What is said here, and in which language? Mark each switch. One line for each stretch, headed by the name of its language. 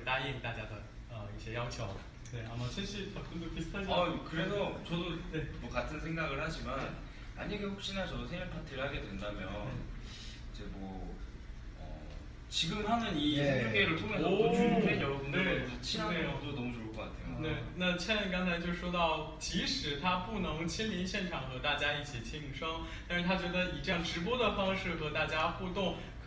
Chinese: 那虽然说非常知道粉丝朋友们的这种心情，那同时他们也是非常的想要和大家一起共度这样美好的时光，但是因为行程的问题呢，他们也不敢为大家许下这样的承诺。但是如果可以的话，尽量还是会答应大家的一些要求。
Korean: 네, 아마 첸씨 답변도 비슷하지 않나요? 그래도 저도 네. 뭐 같은 생각을 하지만 만약에 혹시나 저도 생일 파티를 하게 된다면 이제 뭐 지금 하는 이 생일회를 통해서 중국 팬 여러분들과 네. 같이 하는 것도 너무 좋을 것 같아요.
Chinese: 네, 나 첸 刚才就说到，即使他不能亲临现场和大家一起庆生，但是他觉得以这样直播的方式和大家互动。